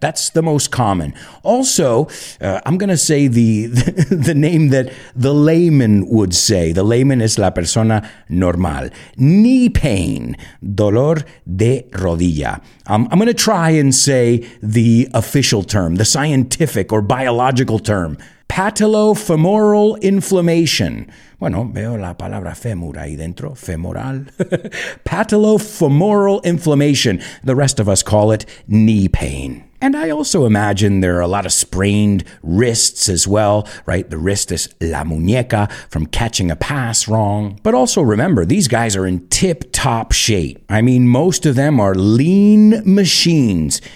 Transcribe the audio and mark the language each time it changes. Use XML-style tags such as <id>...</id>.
<en>That's the most common. Also, I'm going to say the name that the layman would say. The layman is</en> <es>la persona normal.</es> <en>Knee pain,</en> <es>dolor de rodilla.</es> <en>I'm going to try and say the official term, the scientific or biological term. Patellofemoral inflammation.</en> <es>Bueno, veo la palabra fémur ahí dentro, femoral.</es> <en>Patellofemoral inflammation. The rest of us call it knee pain. And I also imagine there are a lot of sprained wrists as well, right? The wrist is</en> <es>la muñeca</es> <en>from catching a pass wrong. But also remember, these guys are in tip-top shape. I mean, most of them are lean machines.</en>